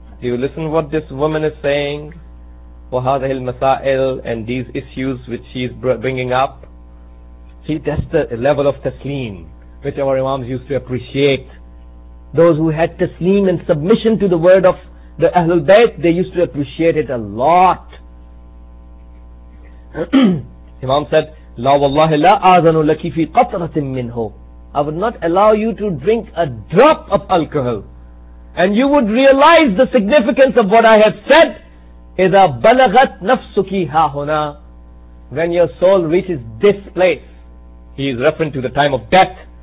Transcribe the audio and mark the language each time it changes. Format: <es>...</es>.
<en>Do you listen what this woman is saying?</en> <ar>Wa hadhihi al-masail,</ar> <en>and these issues which she is bringing up? See, that's the level of taslim, which our Imams used to appreciate. Those who had taslim and submission to the word of the Ahlul Bayt, they used to appreciate it a lot.</en> <ar>Imam said, لا والله لا آذن لك في قطرة منه.</ar> <en>I would not allow you to drink a drop of alcohol. And you would realize the significance of what I have said.</en> <ar>إذا بلغت نفسك ها هنا.</ar> <en>When your soul reaches this place, he is referring to the time of death.</en>